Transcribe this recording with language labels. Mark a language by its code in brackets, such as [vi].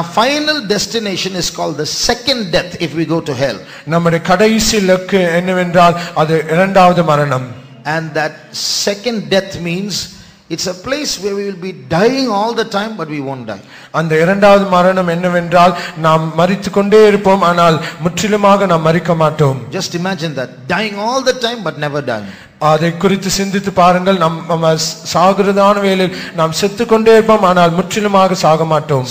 [en] And our final destination is called the second death if we go to hell. [ta] நம்முடைய கடைசி இலக்கு என்னவென்றால் அது இரண்டாவது மரணம். [en] And that second death means it's a place where we will be dying all the time but we won't die. [ta] அந்த இரண்டாவது மரணம் என்னவென்றால் நாம் மரித்து கொண்டே இருப்போம் ஆனால் முற்றிலுமாக நாம் மரிக்க மாட்டோம். [en] Just imagine that, dying all the time but never dying. [ta] அதை குறித்து சிந்தித்து பாருங்கள். நம்ம சாகிறதான வேளையில் நாம் செத்து கொண்டே இருப்போம் ஆனால் முற்றிலுமாக சாக மாட்டோம்.